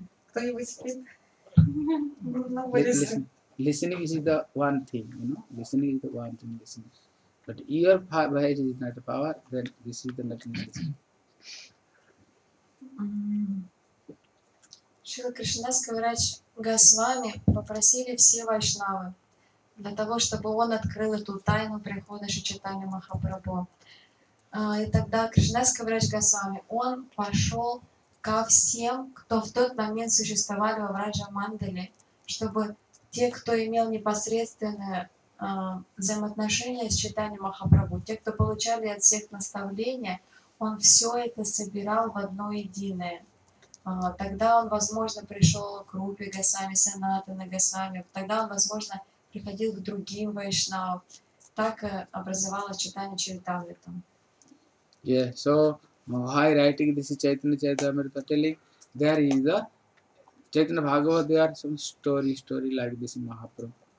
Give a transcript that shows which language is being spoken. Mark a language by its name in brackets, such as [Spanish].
[Russian] Кто-нибудь спит? [English] Listening is the one thing, you know. Listening is the one thing. Listening. But ear power is not the power. Then this is the nothing. [Russian] Шрила Кришнадас Кавирадж Госвами попросили все вайшнавы для того, чтобы он открыл эту тайну прихода Шри Чайтаньи Махапрабху. И тогда Кришнадас Кавирадж Госвами, он пошел ко всем, кто в тот момент существовали во Враджа Мандале, чтобы те, кто имел непосредственное взаимоотношение с Чайтаньей Махапрабху, те, кто получали от всех наставления, он все это собирал в одно единое. Тогда он, возможно, пришел к Рупе Госвами, Санатана Госвами. Тогда он, возможно, приходил к другим вайшнавам. Так образовалось Чайтанья Чаритамрита. [English] Yeah, so why writing this Chaitanya Charitamrita telling? There is a Chaitanya Bhagavad, there are some story like this in Mahaprabhu.